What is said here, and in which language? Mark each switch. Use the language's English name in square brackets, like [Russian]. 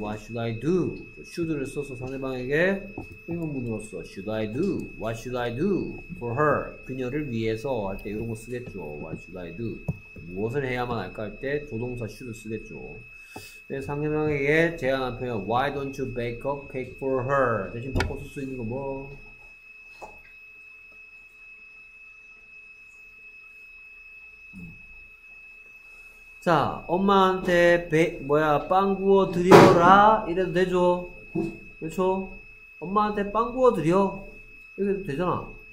[English] What should I do? Should를 [Korean] 써서 상대방에게 의문문으로써 [English] Should I do? What should I do for her? [Korean] 그녀를 위해서 할때 이런 거 쓰겠죠. [English] What should I do? [Korean] 무엇을 해야만 할까 할때 조동사 should 쓰겠죠. 상대방에게 제안한 표현. [English] Why don't you bake a cake for her? [Korean] 대신 바꿔 쓸수 있는 거 뭐? 자, 엄마한테 뭐야, 빵 구워 드려라 이래도 되죠. 그렇죠? 엄마한테 빵 구워 드려 이래도 되잖아.